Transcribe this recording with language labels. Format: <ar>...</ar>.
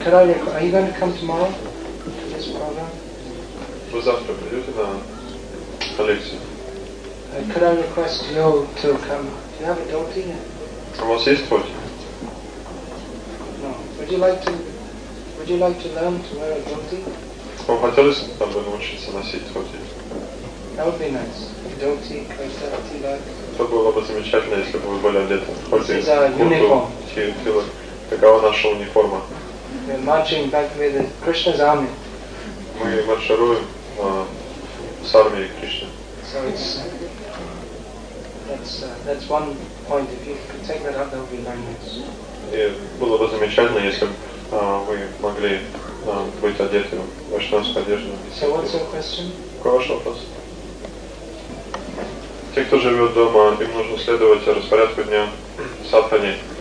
<en>Could I, are you going to come tomorrow to this program?</en> <ru>Вы завтра придете на коллекцию?</ru> <en>Could I request you to come? Do you have a dhoti yet?</en> <ru>У вас есть дхоти?</ru> <en>No. Would you like to learn to wear a dhoti?</en> <ru>Вам хотелось бы научиться носить дхоти?</ru> <en>That would be nice. Dhoti, kurta, tilak.</en> <ru>Это было бы замечательно, если бы вы были одеты.</ru> <en>This is our uniform.</en> <ru>Такова наша униформа.</ru> <en>We're marching back with Krishna's army.</en> <ru>Мы маршируем с армией Кришны.</ru> <en>So it's that's one point. If you could take that up, that would be very nice.</en> <ru>Было бы замечательно, если бы вы могли быть одеты в вайшнавскую одежду.</ru> <en>So what's your question?</en> <ru>Какой ваш вопрос? Те, кто живет дома, им нужно следовать распорядку дня садхани.</ru>